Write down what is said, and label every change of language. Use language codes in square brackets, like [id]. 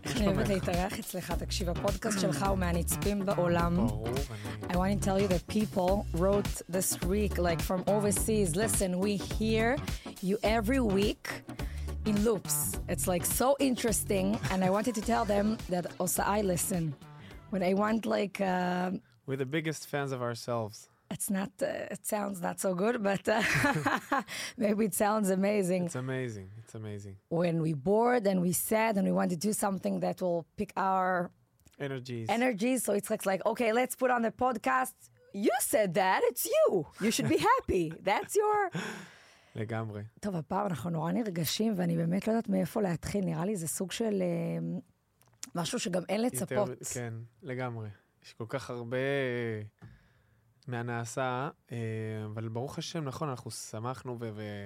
[he] אני אוהבת להתארח אצלך, תקשיב, הפודקאסט שלך הוא מהנצפים בעולם. ברור, אני... [en] I want to tell you that people wrote this week, like from overseas, listen, we hear you every week in loops. It's like so interesting, and I wanted to tell them that also I listen. When I want like... We're the biggest fans of ourselves. It's not, it sounds not so good, but maybe it sounds amazing. It's amazing. It's amazing. When we bored and we sad and we want to do something that will pick our energies. So it's like, okay, let's put on the podcast. You said that. It's you. You should be happy. That's your... [he] לגמרי. טוב, הפעם אנחנו נורא נרגשים ואני באמת לא יודעת מאיפה להתחיל. נראה לי זה סוג של משהו שגם אין לצפות. יותר, כן, לגמרי. יש כל כך הרבה... מהנעשה, אבל ברוך השם, נכון, אנחנו שמחנו ו...